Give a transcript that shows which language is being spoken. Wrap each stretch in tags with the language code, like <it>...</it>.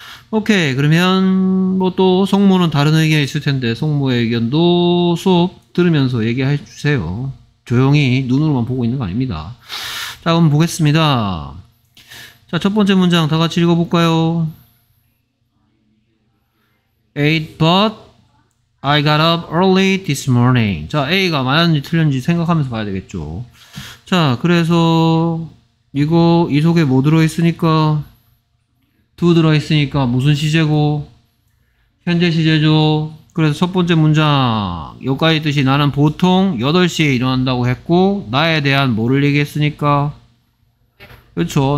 <ko>오케이, 그러면 뭐 또 성모는 다른 의견이 있을 텐데 성모의 의견도 수업 들으면서 얘기해 주세요. 조용히 눈으로만 보고 있는 거 아닙니다. 자, 그럼 보겠습니다. 자, 첫 번째 문장 다 같이 읽어볼까요?</ko> <en>Eight, but I got up early this morning.</en> <ko>자, A가 맞았는지 틀렸는지 생각하면서 봐야 되겠죠. 자, 그래서 이거 이 속에 뭐 들어있으니까? Do 들어있으니까 무슨 시제고? 현재 시제죠. 그래서 첫 번째 문장 여기까지 뜻이 나는 보통 8시에 일어난다고 했고 나에 대한 뭐를 얘기했으니까 그렇죠.</ko>